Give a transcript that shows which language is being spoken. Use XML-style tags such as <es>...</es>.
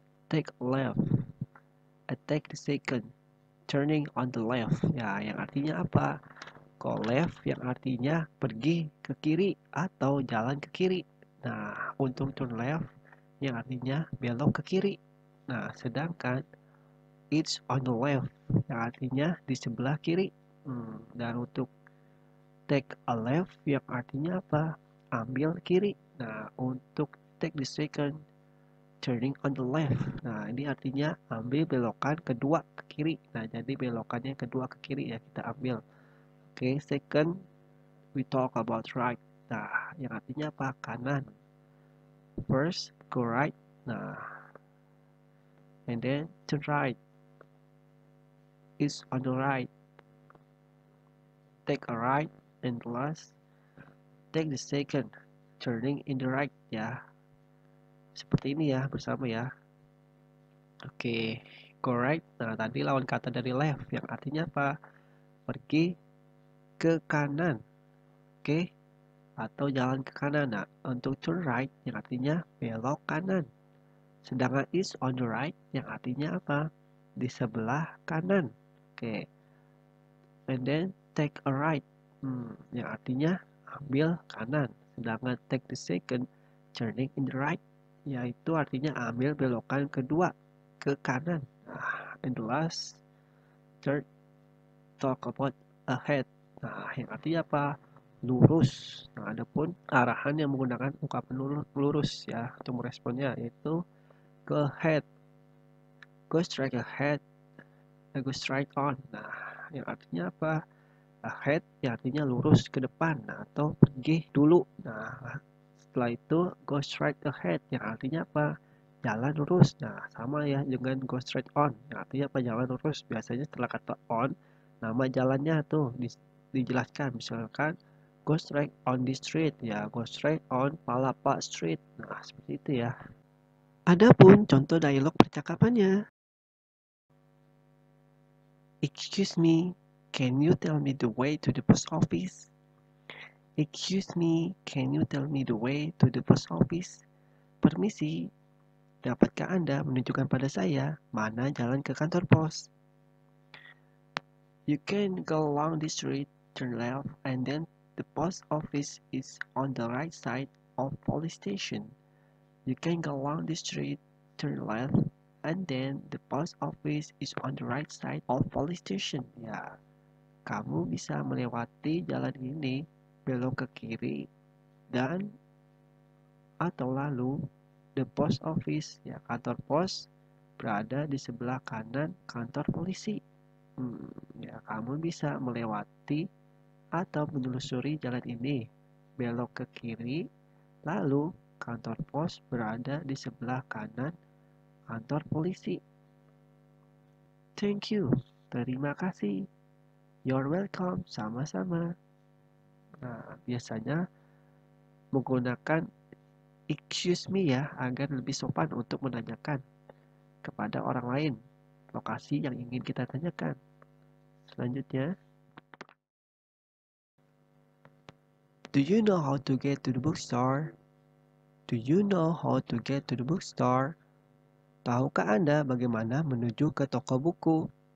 <en>take left, I take the second, turning on the left.</en> <id>Ya, yang artinya apa? Go left yang artinya pergi ke kiri atau jalan ke kiri. Nah, untuk turn left yang artinya belok ke kiri. Nah, sedangkan it's on the left yang artinya di sebelah kiri. Dan untuk take a left yang artinya apa? Ambil kiri. Nah, untuk take the second, turning on the left. Nah, ini artinya ambil belokan kedua ke kiri. Nah, jadi belokannya kedua ke kiri ya kita ambil. Oke,</id> <en>okay, second, we talk about right.</en> <id>Nah, yang artinya apa? Kanan.</id> <en>First, go right. Nah, and then turn right. It's on the right. Take a right. And last, take the second, turning in the right.</en> <id>Ya, seperti ini ya, bersama ya. Oke, okay, go right. Nah, tadi lawan kata dari left, yang artinya apa? Pergi ke kanan, oke, okay? Atau jalan ke kanan. Nah, untuk turn right yang artinya belok kanan, sedangkan is on the right yang artinya apa? Di sebelah kanan, oke, okay. And then take a right, yang artinya ambil kanan, sedangkan take the second, turning in the right, yaitu artinya ambil belokan kedua ke kanan.</id> <en>Nah, and the last, third, talk about ahead.</en> <id>Nah, yang artinya apa? Lurus. Nah, ada pun arahan yang menggunakan ungkapan lurus ya, untuk meresponnya, yaitu go ahead, go straight ahead, go straight on. Nah, yang artinya apa? Ahead, yang artinya lurus ke depan, atau pergi dulu. Nah, setelah itu go straight ahead, yang artinya apa? Jalan lurus. Nah, sama ya dengan go straight on, yang artinya apa? Jalan lurus. Biasanya setelah kata on, nama jalannya tuh dijelaskan, misalkan go straight on the street, ya go straight on Palapa Street. Nah, seperti itu ya. Adapun contoh dialog percakapannya.</id> <en>Excuse me, can you tell me the way to the post office? Excuse me, can you tell me the way to the post office?</en> <id>Permisi, dapatkah Anda menunjukkan pada saya mana jalan ke kantor pos?</id> <en>You can go along the street, turn left, and then the post office is on the right side of police station. You can go along the street, turn left, and then the post office is on the right side of police station.</en> <id>Ya, kamu bisa melewati jalan ini, belok ke kiri, dan atau lalu the post office, ya kantor pos, berada di sebelah kanan kantor polisi. Ya, kamu bisa melewati atau menelusuri jalan ini, belok ke kiri, lalu kantor pos berada di sebelah kanan kantor polisi.</id> <en>Thank you.</en> <id>Terima kasih.</id> <en>You're welcome.</en> <id>Sama-sama. Nah, biasanya menggunakan excuse me ya, agar lebih sopan untuk menanyakan kepada orang lain lokasi yang ingin kita tanyakan. Selanjutnya,</id> <en>do you know how to get to the bookstore? Do you know how to get to the bookstore?</en> <id>Tahukah Anda bagaimana menuju ke toko buku?</id>